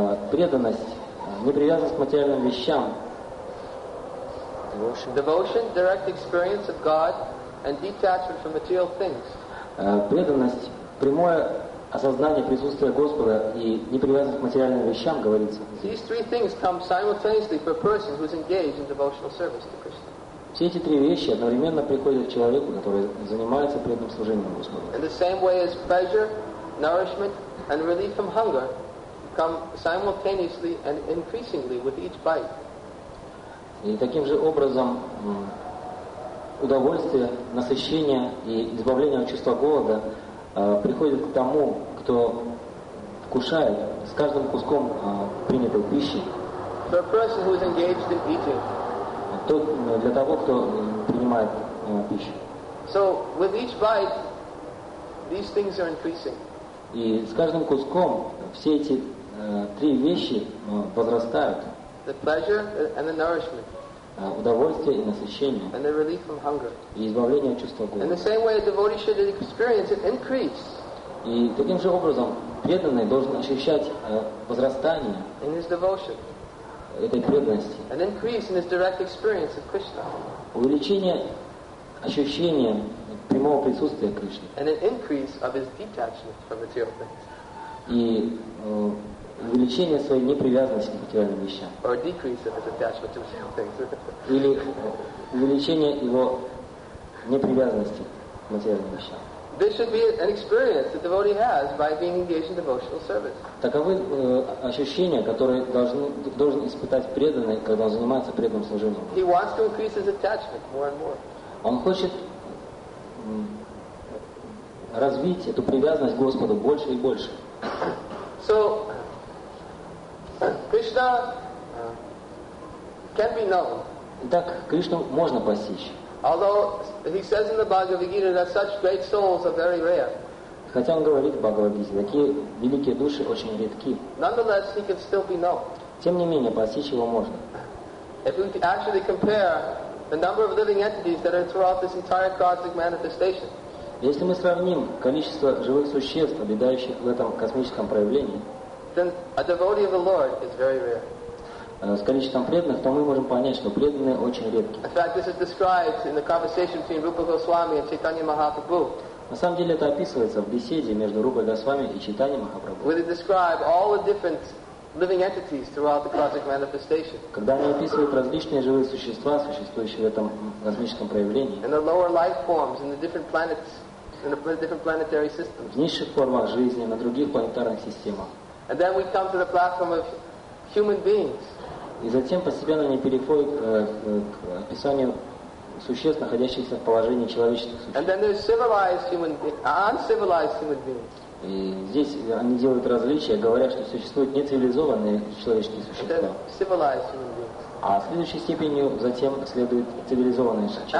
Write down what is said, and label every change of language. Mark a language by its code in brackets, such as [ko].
[ru] Преданность, неприязанность к материальным вещам. [en] Devotion, direct experience of God, and detachment from material things. [ru] Преданность, прямое осознание присутствия Господа и неприязанность к материальным вещам, говорится. [en] These three things come simultaneously for a person who is engaged in devotional service to Krishna. [ru] Все эти три вещи одновременно приходят к человеку, который занимается преданным служением Господу. [en] In the same way as pleasure, nourishment, and relief from hunger come simultaneously and increasingly with each bite. [ru] И таким же образом удовольствие, насыщение и избавление от чувства голода приходит к тому, кто кушает с каждым куском принятой пищи. [en] For a person who is engaged in eating. [ru] Для того, кто принимает пищу. [en] So, with each bite, these things are increasing. [ru] И с каждым куском все эти три вещи возрастают. [en] The pleasure and the nourishment. [ru] Удовольствие и насыщение. [en] And the relief from hunger. [ru] И избавление от чувства голода. [en] In the same way, a devotee should experience an increase. [ru] И таким же образом преданный должен ощущать возрастание. [en] In his devotion. [ru] Этой преданности. [en] An increase in his direct experience of Krishna. [ru] Увеличение ощущения прямого присутствия Кришны. [en] And an increase of his detachment from material things. [ru] И увеличение своей непривязанности к материальным вещам. [en] Or a decrease of his attachment to material things. [ru] Или увеличение его непривязанности к материальным вещам. [en] This should be an experience that the devotee has by being engaged in devotional service. [ru] Таковы ощущения, которые должен испытать преданный, когда он занимается преданным служением. [en] He wants to increase his attachment more and more. [ru] Он хочет развить эту привязанность к Господу больше и больше. [en] So, Krishna can be known. [ru] Итак, Кришну можно постичь. [en] Although he says in the Bhagavad Gita that such great souls are very rare. [ru] Хотя он говорит в Бхагавад-гите, такие великие души очень редки. [en] Nonetheless, he can still be known. [ru] Тем не менее, постичь его можно. [en] If we actually compare the number of living entities that are throughout this entire cosmic manifestation. [ru] Если мы сравним количество живых существ, обитающих в этом космическом проявлении, [en] then a devotee of the Lord is very rare. [ru] С количеством преданных, то мы можем понять, что преданные очень редки. [en] In fact, this is described in the conversation between Rupa Goswami and Chaitanya Mahaprabhu. [ru] На самом деле это описывается в беседе между Рупа Госвами и Чайтанья Махапрабху. [en] Where they describe all the different living entities throughout the cosmic manifestation. [ru] Когда они описывают различные живые существа, существующие в этом космическом проявлении. [en] And the lower life forms in the different planets, in the different planetary systems. [ru] В низших формах жизни на других планетарных системах. [en] And then we come to the platform of human beings. [ru] И затем постепенно они переходят к описанию существ, находящихся в положении человеческих существ. [en] And then there's civilized human beings, uncivilized human beings. [ru] И здесь они делают различия, говоря, что существуют нецивилизованные человеческие существа. А следующей степенью затем следуют цивилизованные